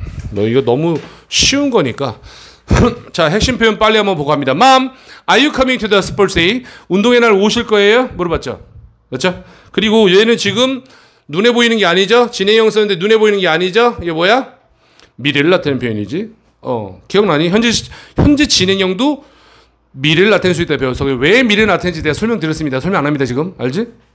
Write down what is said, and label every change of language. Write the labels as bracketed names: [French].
[Korean] 너 이거 너무 쉬운 거니까. 자, 핵심 표현 빨리 한번 보고 갑니다. [English] Mom, are you coming to the sports day? [Korean] 운동회 날 오실 거예요? 물어봤죠? 그렇죠? 그리고 얘는 지금 눈에 보이는 게 아니죠? 진행형 썼는데 눈에 보이는 게 아니죠? 이게 뭐야? 미래를 나타내는 표현이지. 기억나니? 현재 진행형도 미래를 나타낼 수 있다 배워서 왜 미래를 나타내는지 내가 설명드렸습니다. 설명 안 합니다, 지금. 알지?